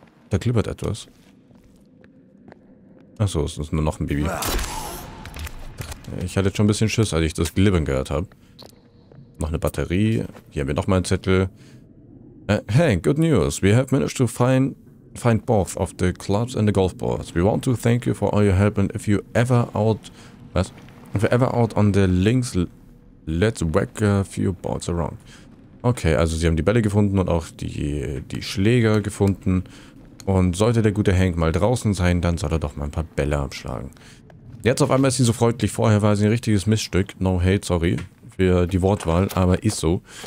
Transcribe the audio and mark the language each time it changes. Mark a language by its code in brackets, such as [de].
[de] Da klippert etwas. Achso, es ist nur noch ein Baby. Ich hatte schon ein bisschen Schiss, als ich das Glibbern gehört habe. Noch eine Batterie. Hier haben wir nochmal einen Zettel. [en] Hey, good news. We have managed to find both of the clubs and the golf balls. We want to thank you for all your help and if you ever out... [de] Was? [en] If you ever out on the links, let's whack a few balls around. [de] Okay, also sie haben die Bälle gefunden und auch die Schläger gefunden. Und sollte der gute Hank mal draußen sein, dann soll er doch mal ein paar Bälle abschlagen. Jetzt auf einmal ist sie so freundlich. Vorher war sie ein richtiges Missstück. [en] No hate, [de] sorry für die Wortwahl, aber ist so.